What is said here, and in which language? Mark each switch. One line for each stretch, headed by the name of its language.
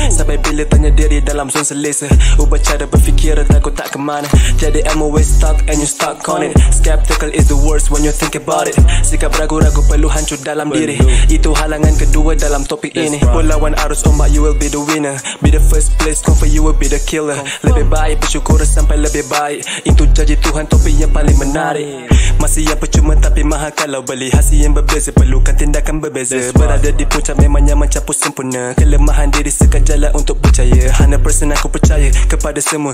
Malay: Sampai bila tanya diri dalam zon selesa. Ubah cara berfikir takut tak ke mana. Jadi ilmu
English: we stuck and you stuck on it. Skeptical is the worst when you think about it.
Malay: Sikap ragu-ragu perlu hancur dalam diri. Itu halangan kedua dalam topik ini. Melawan arus ombak
English: you will be the winner. Be the first place come for you will be the killer.
Malay: Lebih baik bersyukur sampai lebih baik. Itu janji Tuhan topik yang paling menarik. Masih yang percuma tapi mahal kalau beli. Hasil yang berbeza perlukan tindakan berbeza. Berada di puncak memang nyaman capur sempurna. Kelemahan diri sekat jalan untuk percaya. 100% aku percaya kepada semua.